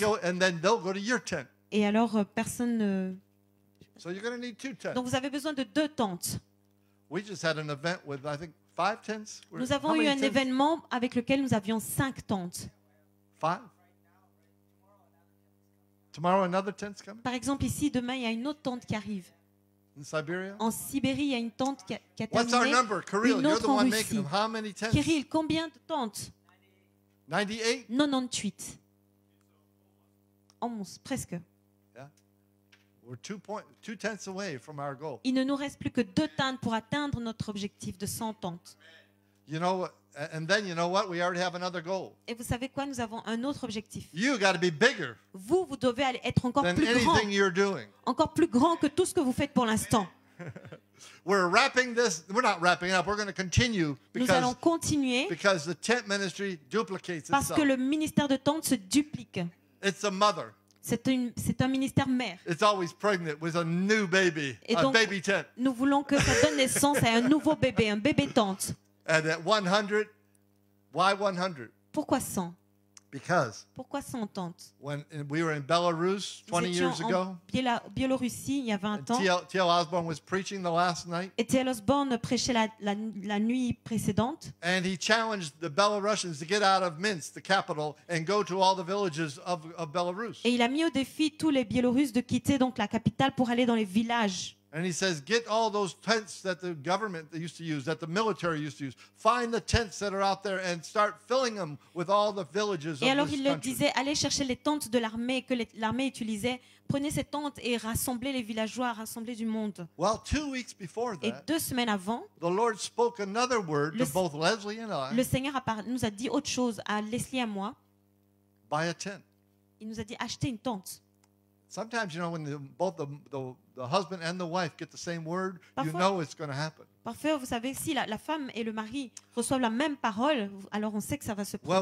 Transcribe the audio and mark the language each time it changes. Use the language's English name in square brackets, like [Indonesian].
[English] You'll go, and then they'll go to your tent. [French] Et alors personne ne [English] So you're going to need two tents. [French] Donc vous avez besoin de deux tentes. [English] We just had an event with I think five tents. [French] Nous avons eu un événement avec lequel nous avions cinq tentes. [English] Five? Tomorrow another tent's coming? [French] Par exemple ici demain il y a une autre tente qui arrive. [English] In Siberia? [French] En Sibérie il y a une tente qui a terminé. [English] What's our number, Kirill? You're the one making them. How many tents? [French] Kirill, combien de tentes? [English] 98. Almost, [French] presque. [English] We're two tenths away from our goal. [French] Il ne nous reste plus que deux tentes pour atteindre notre objectif de 100 tentes. [English] You know, And then you know what? We already have another goal. [French] Et vous savez quoi? Nous avons un autre objectif. [English] You got to be bigger. [French] Vous, vous devez être encore [English] than [French] plus grand. [English] Anything you're doing. [French] Encore plus grand que tout ce que vous faites pour l'instant. [English] We're wrapping this. We're not wrapping up. We're going to continue because, [French] nous allons continuer [English] because the tent ministry duplicates itself. [French] Parce que le ministère de tente se duplique. [English] It's a mother. [French] C'est un ministère mère. [English] It's always pregnant with a new baby, [French] et donc, [English] a baby tent. [French] Nous voulons que ça donne naissance à un nouveau bébé, un bébé tente. [English] And at 100, why 100? [French] Pourquoi 100? [English] Because. [French] Pourquoi 100 tentes? [English] When we were in Belarus 20 years ago. [French] Biélorussie il y a 20 ans. [English] T.L. Osborne was preaching the last night. [French] Et T.L. Osborne prêchait la nuit précédente. [English] And he challenged the Belarusians to get out of Minsk, the capital, and go to all the villages of Belarus. [French] Et il a mis au défi tous les Biélorusses de quitter donc la capitale pour aller dans les villages. [English] And he says, get all those tents that the government used to use, that the military used to use. Find the tents that are out there and start filling them with all the villages [French] et [English] of this country. [French] Et alors il disait, allez chercher les tentes de l'armée que l'armée utilisait. Prenez ces tentes et rassemblez les villageois, rassemblez du monde. [English] Well, 2 weeks before that, [French] et 2 semaines avant, [English] the Lord spoke another word to both Leslie and I. [French] Le Seigneur nous a dit autre chose à Leslie et à moi. [English] Buy a tent. [French] Il nous a dit, achetez une tente. [English] Sometimes, you know, when both the husband and the wife get the same word, [French] parfois, [English] you know it's going to happen. [French] Parfois, vous savez, si la femme et le mari reçoivent la même parole, alors on sait que ça va se produire.